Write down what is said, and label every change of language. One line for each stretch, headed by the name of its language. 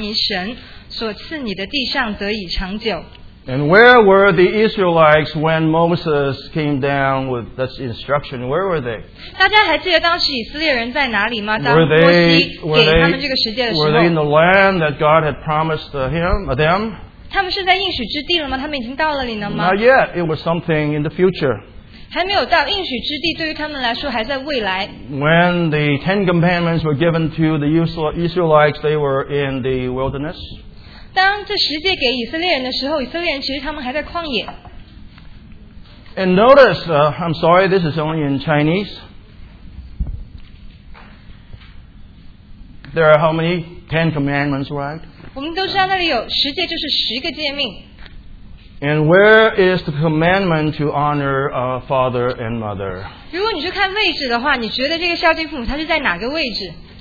Chinese: 在十诫当中这么说到,当孝敬父母,使你的日子在耶和华你神所赐你的地上得以长久。
English: And where were the Israelites when Moses came down with this instruction? Where were they?
Chinese: 大家还记得当时以色列人在哪里吗?
English: Were they in the land that God had promised them?
Chinese: 他们是在应许之地了吗? 他们已经到了里了吗?
English: Not yet. It was something in the future.
Chinese: 还没有到, 应许之地, 对于他们来说还在未来。
English: When the Ten Commandments were given to the Israelites, they were in the wilderness.
Chinese: 当这十诫给以色列人的时候，以色列人其实他们还在旷野。
English: And notice, I'm sorry, this is only in Chinese. There are how many? Ten commandments, right?
Chinese: 我们都知道那里有十诫，就是十个诫命。
English: And where is the commandment to honor our father and mother?
Chinese: 如果你去看位置的话，你觉得这个孝敬父母他是在哪个位置？